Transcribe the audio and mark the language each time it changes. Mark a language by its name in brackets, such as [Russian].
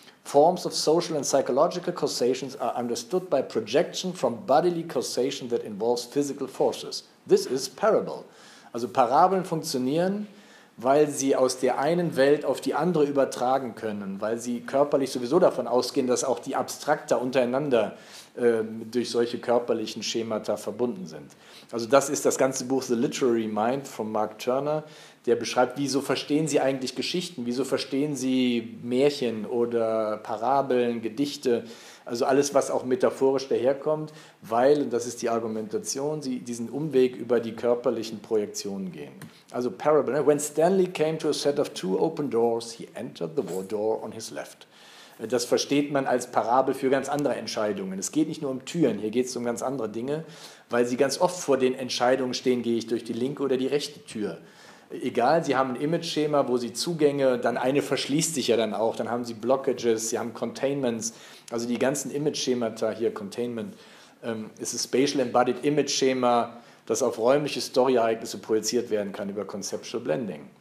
[English] Forms of social and psychological causations are understood by projection from bodily causation that involves physical forces. This is parable. [German] Also Parabeln funktionieren, weil sie aus der einen Welt auf die andere übertragen können, weil sie körperlich sowieso davon ausgehen, dass auch die Abstrakter untereinander durch solche körperlichen Schemata verbunden sind. Also das ist das ganze Buch The Literary Mind von Mark Turner. der beschreibt, wieso verstehen sie eigentlich Geschichten, wieso verstehen sie Märchen oder Parabeln, Gedichte, also alles, was auch metaphorisch daherkommt, weil, und das ist die Argumentation, sie diesen Umweg über die körperlichen Projektionen gehen. Also [English] Parable, when Stanley came to a set of two open doors, he entered the one door on his left. [German] Das versteht man als Parabel für ganz andere Entscheidungen. Es geht nicht nur um Türen, hier geht es um ganz andere Dinge, weil sie ganz oft vor den Entscheidungen stehen, gehe ich durch die linke oder die rechte Tür. Egal, sie haben ein Image-Schema, wo sie Zugänge, dann eine verschließt sich ja dann auch, dann haben sie Blockages, sie haben Containments, also die ganzen Image-Schemata hier, Containment, ist ein Spatial Embodied Image-Schema, das auf räumliche Story-Ereignisse projiziert werden kann über Conceptual Blending.